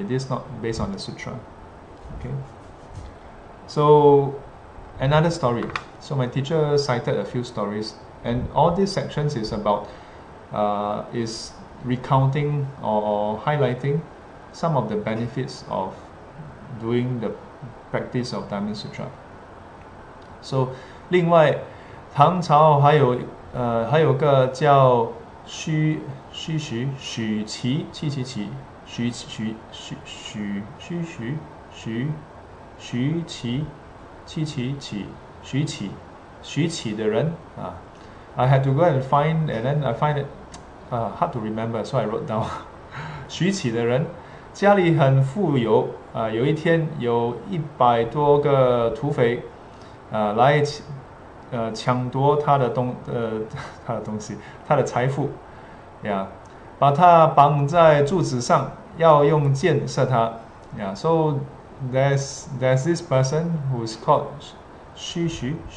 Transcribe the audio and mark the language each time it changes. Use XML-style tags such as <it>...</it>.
<en>This is not based on the sutra. Okay. So, another story. So my teacher cited a few stories. And all these sections is about is recounting or highlighting some of the benefits of doing the practice of Diamond Sutra.</en> <zh>So, 另外，唐朝还有个叫许琦的人啊。</zh> <en>I had to go and find, and then I find it hard to remember, so I wrote down.</en> <zh>许启的人家里很富有啊，有一天有100多个土匪来抢夺他的东西，他的财富呀，把他绑在柱子上，要用箭射他呀。</zh> <en>So there's this person who is called 许启。</en>